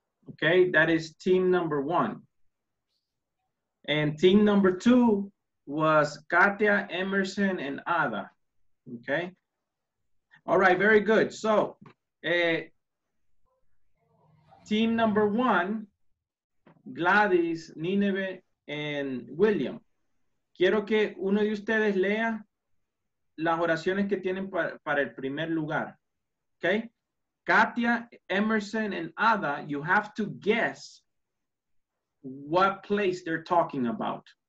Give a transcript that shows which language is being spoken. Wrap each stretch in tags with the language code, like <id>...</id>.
<en>Okay, that is team number one. And team number two was Katia, Emerson, and Ada. Okay. All right, very good. So, team number one, Gladys, Nineveh, and William.</en> <es>Quiero que uno de ustedes lea las oraciones que tienen para el primer lugar.</es> <en>Okay? Katia, Emerson, and Ada, you have to guess what place they're talking about.</en>